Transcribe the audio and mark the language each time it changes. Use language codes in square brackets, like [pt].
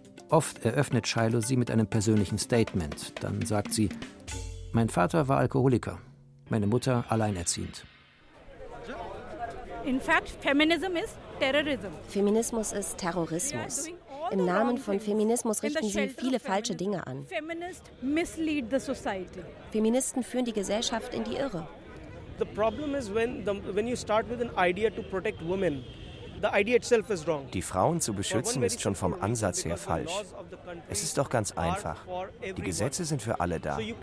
[de] Oft eröffnet Shiloh sie mit einem persönlichen Statement. Dann sagt sie, mein Vater war Alkoholiker, meine Mutter alleinerziehend. [en] In fact, feminism is terrorism. [de] Feminismus ist Terrorismus. Im Namen von Feminismus richten sie viele falsche Dinge an. Feministen führen die Gesellschaft in die Irre. [en] The problem is when you start with an idea to protect women. The idea itself is wrong. [de] Die Frauen zu beschützen ist schon vom Ansatz her falsch. Es ist doch ganz einfach. Die Gesetze sind für alle da.